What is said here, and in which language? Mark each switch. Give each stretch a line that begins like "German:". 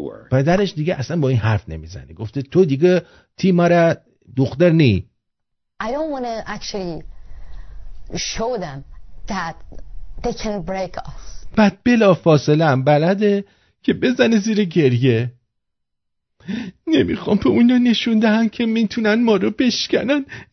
Persian: پدرش دیگه اصلا با این حرف نمیزنه، گفته تو دیگه تیمار دختر نی.
English: I don't want to actually show them that they can break us.
Persian: بعد بلا فاصله هم بلده که بزنه زیر گریه. نمیخوام به اونا نشون دهن که میتونن ما رو بشکنن.